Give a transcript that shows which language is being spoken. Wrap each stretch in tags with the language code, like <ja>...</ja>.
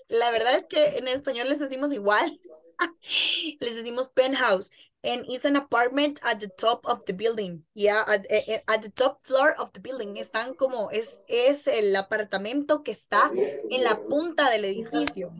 <es>La verdad es que en español les decimos igual. Les decimos penthouse.</es> <en>And it's an apartment at the top of the building. Yeah, at the top floor of the building.</en> <es>Están como, es el apartamento que está en la punta del edificio.</es>